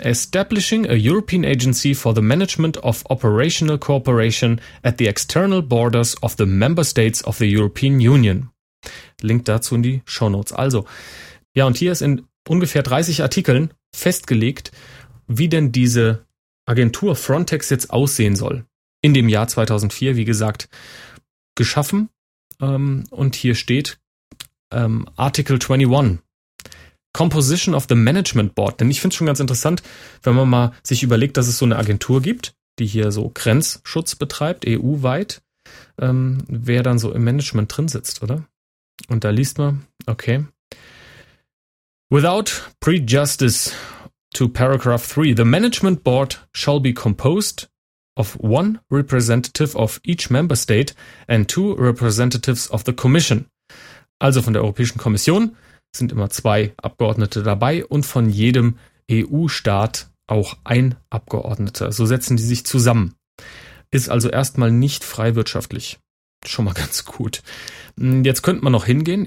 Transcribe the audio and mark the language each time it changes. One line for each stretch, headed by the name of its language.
English: Establishing a European agency for the management of operational cooperation at the external borders of the member states of the European Union.
German: Link dazu in die Shownotes. Also, ja, und hier ist in ungefähr 30 Artikeln festgelegt, wie denn diese Agentur Frontex jetzt aussehen soll. In dem Jahr 2004, wie gesagt, geschaffen. Und hier steht Article 21.
English: Composition of the Management Board.
German: Denn ich finde es schon ganz interessant, wenn man mal sich überlegt, dass es so eine Agentur gibt, die hier so Grenzschutz betreibt, EU-weit, wer dann so im Management drin sitzt, oder? Und da liest man, okay.
English: Without prejudice to paragraph 3, the Management Board shall be composed of one representative of each member state and two representatives of the Commission.
German: Also von der Europäischen Kommission sind immer zwei Abgeordnete dabei und von jedem EU-Staat auch ein Abgeordneter. So setzen die sich zusammen. Ist also erstmal nicht freiwirtschaftlich. Schon mal ganz gut. Jetzt könnte man noch hingehen.